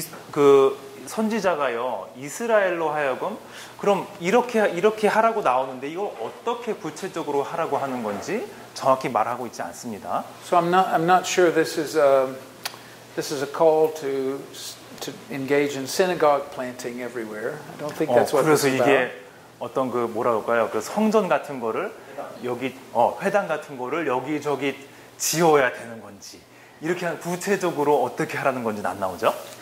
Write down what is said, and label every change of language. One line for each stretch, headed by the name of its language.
Korean: 그 선지자가요 이스라엘로 하여금 그럼 이렇게 하라고 나오는데 이걸 어떻게 구체적으로 하라고 하는 건지 정확히 말하고 있지 않습니다.
English: So I'm not sure this is a call to to engage in synagogue planting everywhere. I don't think that's what it's about.
Korean: 그래서 이게 어떤 그 뭐라고 할까요? 그 성전 같은 거를 여기 회당 같은 거를 여기저기 지어야 되는 건지 이렇게 구체적으로 어떻게 하라는 건지 안 나오죠?